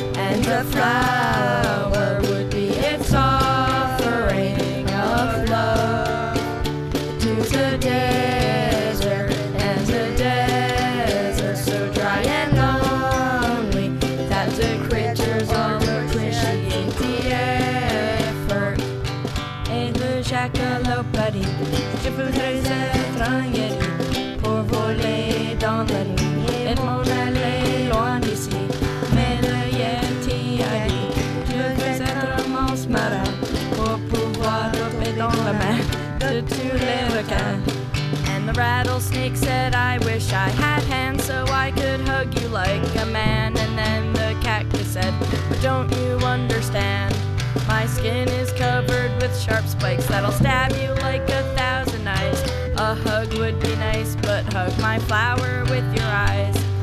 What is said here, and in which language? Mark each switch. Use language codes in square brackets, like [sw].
[en] And the flower would be its offering of love to the desert, and the desert so dry and lonely that the critters all appreciate the effort. [fr] Et le jackalope buddy, je voudrais être un yeti pour voler dans la nuit et m'en aller loin d'ici. Mais le yeti a dit, je voudrais être un monstre marin pour pouvoir taper dans la main de tous les requins. [en] And the rattlesnake said, I wish I had hands so I could hug you like a man. And then the cactus said, but don't you understand? My skin is covered with sharp spikes that'll stab you like a thousand knives. A hug would be nice, but hug my flower with your eyes.